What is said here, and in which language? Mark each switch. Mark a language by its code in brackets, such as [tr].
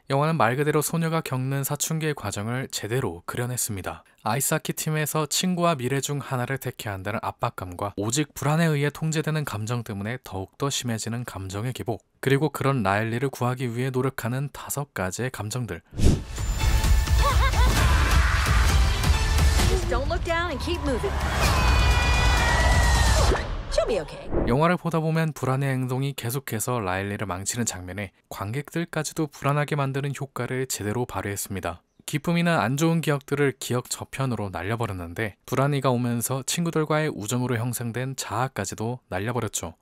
[ko] 영화는 말 그대로 소녀가 겪는 사춘기의 과정을 제대로 그려냈습니다. 아이스하키 팀에서 친구와 미래 중 하나를 택해야 한다는 압박감과 오직 불안에 의해 통제되는 감정 때문에 더욱더 심해지는 감정의 기복, 그리고 그런 라일리를 구하기 위해 노력하는 다섯 가지의 감정들. [en] Just don't look down and keep moving. She'll be okay. [ko] 영화를 보다 보면 불안의 행동이 계속해서 라일리를 망치는 장면에 관객들까지도 불안하게 만드는 효과를 제대로 발휘했습니다. 기쁨이는 안 좋은 기억들을 기억 저편으로 날려버렸는데 불안이가 오면서 친구들과의 우정으로 형성된 자아까지도 날려버렸죠.